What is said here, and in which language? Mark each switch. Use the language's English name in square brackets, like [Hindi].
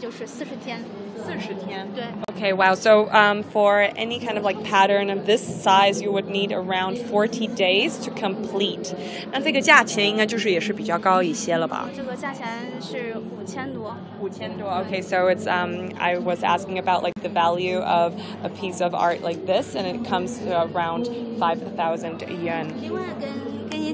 [Chinese] 这个大概要绣像你现在绣的这个东西，大概要多长时间才能完成？这个绣图长是宽是，就是50×1.3米的一个尺寸。这个绣图大致绣成精细度的话，大概就是40天。40天，对。 [English] Okay, wow. So for any kind of like pattern of this size, you would need around 40 days to complete. [Chinese] 那这个价钱应该就是也是比较高一些了吧？这个价钱是5000多。5000多. [English] Okay, so it's I was asking about like the value of a piece of art like this, and it comes to around 5000 yuan.